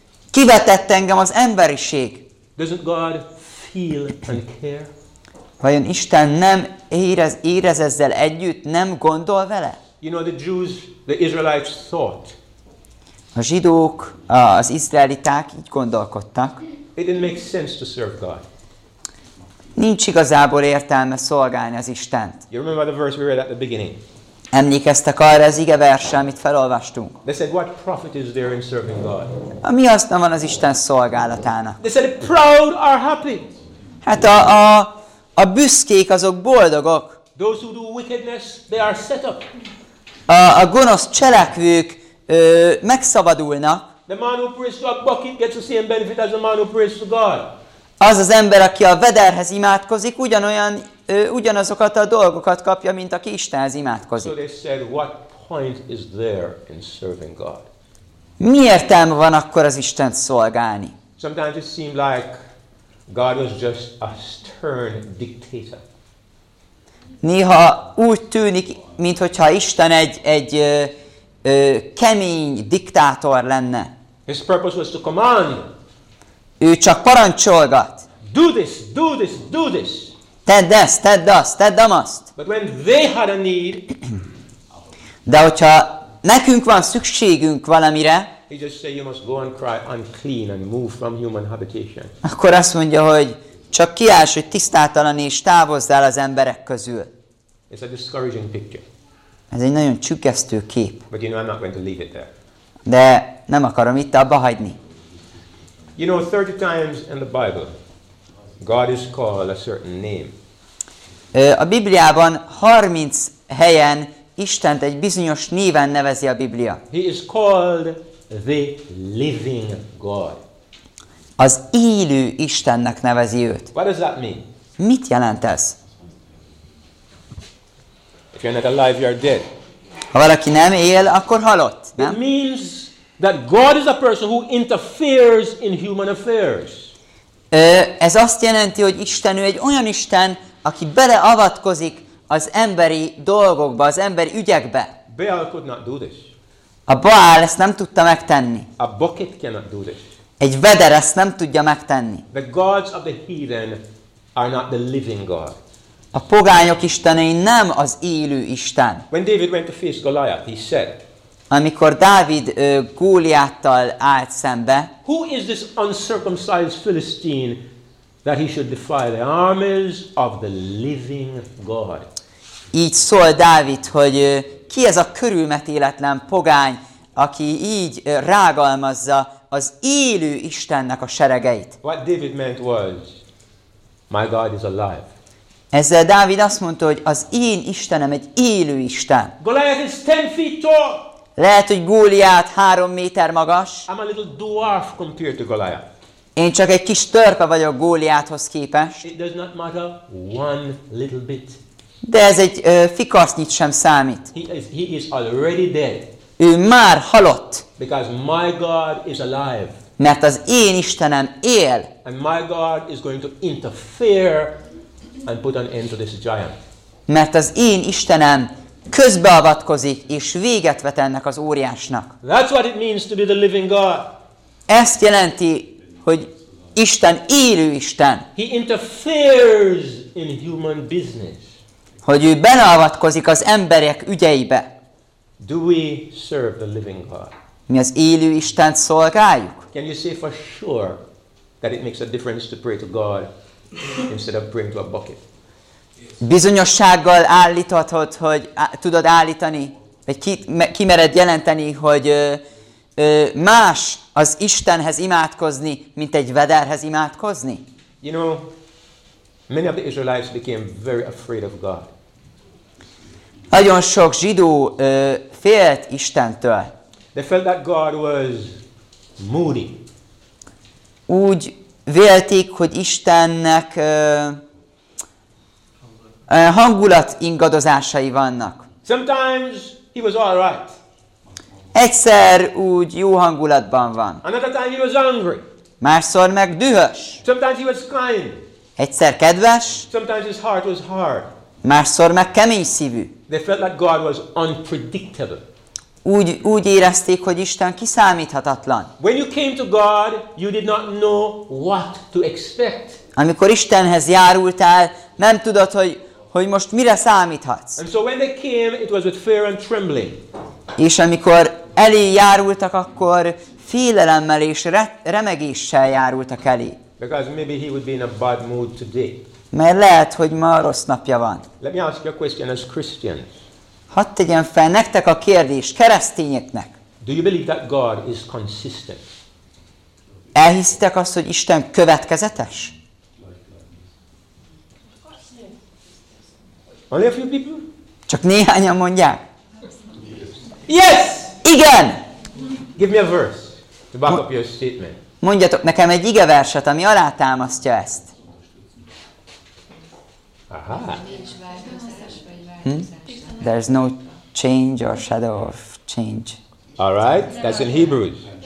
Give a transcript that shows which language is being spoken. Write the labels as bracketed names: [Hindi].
[Hungarian] Kivetett engem az emberiség. [English] Doesn't God feel and care? [Hungarian] Vajon Isten nem érez ezzel együtt, nem gondol vele? [English] You know, the Jews, the Israelites thought. [Hungarian] A zsidók, az izraeliták így gondolkodtak. [English] It didn't make sense to serve God. [Hungarian] Nincs igazából értelme szolgálni az Istent. [English] You remember the verse we read at the beginning? [Hungarian] Emlékeztek arra az ige versre, amit felolvastunk. [English] They said, what profit is there in serving God? [Hungarian] Mi haszna van az Isten szolgálatának? [English] They said, proud are happy. [Hungarian] Hát a büszkék azok boldogok. [English] Those who do wickedness, they are set up. [Hungarian] A gonosz cselekvők megszabadulnak. [English] The man who prays to a bucket gets the same benefit as the man who prays to God. [Hungarian] Az az ember, aki a vederhez imádkozik, ugyanazokat a dolgokat kapja, mint aki Istenhez imádkozik. [English] So they said, what point is there in serving God? [Hungarian] Mi értelme van akkor az Istent szolgálni? [English] Sometimes it seemed like God was just a stern dictator. [Hungarian] Néha úgy tűnik, minthogyha Isten egy kemény diktátor lenne. [English] His purpose was to command. [Hungarian] Ő csak parancsolgat. [English] Do this, do this, do this. [Hungarian] Tedd ezt, tedd azt, tedd amazt. [English] But when they had a need, [Hungarian] de hogyha nekünk van szükségünk valamire, [English] he just say you must go and cry unclean and move from human habitation. [Hungarian] Akkor azt mondja, hogy csak kiáss, hogy tisztátalan és távozzál az emberek közül. [English] It's a discouraging picture. [Hungarian] Ez egy nagyon csüggesztő kép. [English] But you know, I'm not going to leave it there. [Hungarian] De nem akarom itt abba hagyni. [English] You know, 30 times in the Bible, God is called a certain name. [Hungarian] A Bibliában 30 helyen Istent egy bizonyos néven nevezi a Biblia. [English] He is called the living God. [Hungarian] Az élő Istennek nevezi őt. [English] What does that mean? [Hungarian] Mit jelent ez? [English] If you're not alive, you're dead. [Hungarian] Ha valaki nem él, akkor halott, nem? [English] It means that God is a person who interferes in human affairs. [Hungarian] Ez azt jelenti, hogy Isten, ő egy olyan Isten, aki beleavatkozik az emberi dolgokba, az emberi ügyekbe. [English] Baal could not do this. [Hungarian] A Baal ezt nem tudta megtenni. [English] A bucket cannot do this. [Hungarian] Egy veder ezt nem tudja megtenni. [English] The gods of the heathen are not the living God. [Hungarian] A pogányok istenei nem az élő Isten. [English] When David went to face Goliath, he said, [Hungarian] amikor Dávid Góliáttal állt szembe, [English] who is this uncircumcised Philistine that he should defy the armies of the living God? [Hungarian] így szól Dávid, hogy ki ez a körülmetéletlen pogány, aki így rágalmazza az élő Istennek a seregeit. [English] What David meant was, my God is alive. [Hungarian] Ezzel Dávid azt mondta, hogy az én Istenem egy élő Isten. [English] Goliath is 10 feet tall. [Hungarian] Lehet, hogy Góliát 3 méter magas. [English] I'm a little dwarf compared to Goliath. [Hungarian] Én csak egy kis törpe vagyok Góliáthoz képest. [English] It does not matter one little bit. [Hungarian] De ez egy fikasznyit sem számít. [English] He is already dead. [Hungarian] Ő már halott. [English] Because my God is alive. [Hungarian] Mert az én Istenem él. [English] And my God is going to interfere and put an end to this giant. [Hungarian] Mert az én Istenem közbeavatkozik és véget vet ennek az óriásnak. [English] That's what it means to be the living God. [Hungarian] Ezt jelenti, hogy Isten élő Isten. [English] He interferes in human business. [Hungarian] Hogy ő beleavatkozik az emberek ügyeibe. [English] Do we serve the living God? [Hungarian] Mi az élő Istent szolgáljuk? [English] Can you say for sure that it makes a difference to pray to God instead of praying to a bucket? [Hungarian] Bizonyossággal állíthatod, hogy tudod állítani, vagy ki mered jelenteni, hogy más az Istenhez imádkozni, mint egy vederhez imádkozni? [English] You know, many of the Israelites became very afraid of God. [Hungarian] Nagyon sok zsidó félt Istentől. [English] They felt that God was moody. [Hungarian] Úgy vélték, hogy Istennek hangulat ingadozásai vannak. [English] Sometimes he was all right. [Hungarian] Egyszer úgy jó hangulatban van. [English] Another time he was angry. [Hungarian] Másszor meg dühös. [English] Sometimes he was kind. [Hungarian] Egyszer kedves. [English] Sometimes his heart was hard. [Hungarian] Másszor meg kemény szívű. [English] They felt like God was unpredictable. [Hungarian] Úgy érezték, hogy Isten kiszámíthatatlan. [English] When you came to God, you did not know what to expect. [Hungarian] Amikor Istenhez járultál, nem tudod, hogy most mire számíthatsz. [English] And so when they came, it was with fear and trembling. [Hungarian] És amikor elé járultak, akkor félelemmel és remegéssel járultak elé. [English] Because maybe he would be in a bad mood today. [Hungarian] Mert lehet, hogy ma rossz napja van. [English] Let me ask you a question as Christians. [Hungarian] Hadd tegyem fel nektek a kérdést, keresztényeknek. [English] Do you believe that God is consistent? [Hungarian] Elhisztek azt, hogy Isten következetes? [English] Only a few people? [Hungarian] Csak néhányan mondják. [English] Yes! [Hungarian] Igen! [English] Give me a verse to back up your statement. [Hungarian] Mondjatok nekem egy igeverset, ami alátámasztja ezt. Aha. [English] There's no change or shadow of change. All right, that's in Hebrews.